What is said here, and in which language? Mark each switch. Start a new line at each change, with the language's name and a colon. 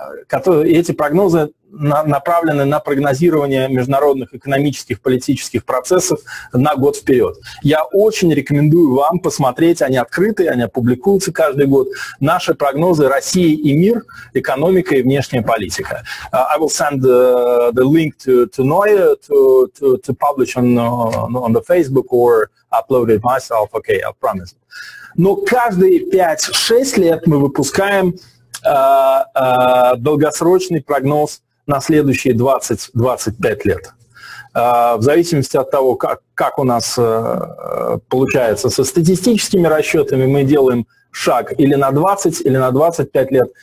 Russian: эти прогнозы направлены на прогнозирование международных экономических, политических процессов на год вперед. Я очень рекомендую вам посмотреть, они открыты, они опубликуются каждый год, наши прогнозы России и мир, экономика и внешняя политика.
English: I will send the link to Noe to publish on the Facebook or upload it myself. Okay, I promise.
Russian: Но каждые 5-6 лет мы выпускаем долгосрочный прогноз на следующие 20-25 лет. В зависимости от того, как у нас получается со статистическими расчетами, мы делаем шаг или на 20, или на 25 лет.